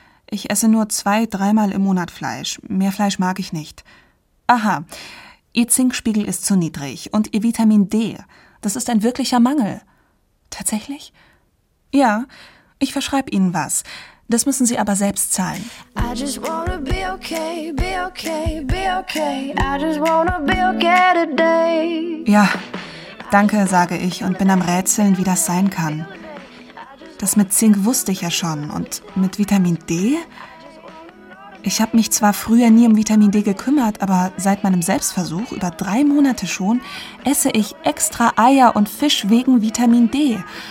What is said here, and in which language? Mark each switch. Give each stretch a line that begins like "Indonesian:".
German: Ich esse nur 2-3 Mal im Monat Fleisch. Mehr Fleisch mag ich nicht. Aha, Ihr Zinkspiegel ist zu niedrig und Ihr Vitamin D. Das ist ein wirklicher Mangel. Tatsächlich? Ja, ich verschreibe Ihnen was. Das müssen Sie aber selbst zahlen.
English: I just wanna be okay, be okay, be okay. I just wanna be okay today.
German: Ja, danke, sage ich und bin am Rätseln, wie das sein kann. Das mit Zink wusste ich ja schon. Und mit Vitamin D? Ich habe mich zwar früher nie um Vitamin D gekümmert, aber seit meinem Selbstversuch, über 3 Monate schon, esse ich extra Eier und Fisch wegen Vitamin D.